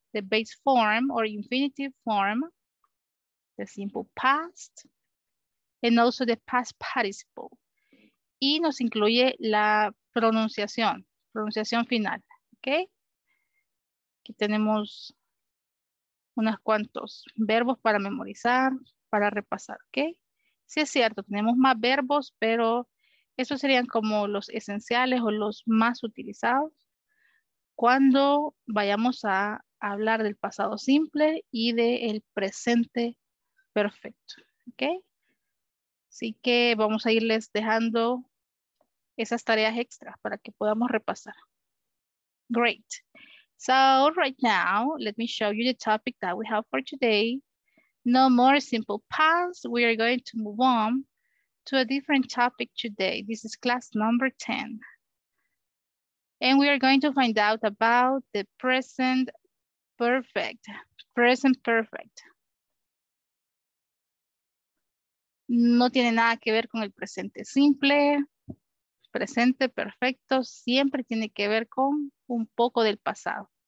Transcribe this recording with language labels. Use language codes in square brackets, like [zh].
[en] The base form or infinitive form, the simple past, and also the past participle. [es] Y nos incluye la pronunciación, pronunciación final, okay? Aquí tenemos unos cuantos verbos para memorizar, para repasar, ¿ok? Sí es cierto, tenemos más verbos, pero esos serían como los esenciales o los más utilizados cuando vayamos a hablar del pasado simple y del presente Perfecto. Ok. Así que vamos a irles dejando esas tareas extras para que podamos repasar. Great. [en] So right now, let me show you the topic that we have for today. No more simple past. We are going to move on to a different topic today. This is class number 10. And we are going to find out about the present perfect. Present perfect. [es] No tiene nada que ver con el presente simple. Presente perfecto siempre tiene que ver con un poco del pasado.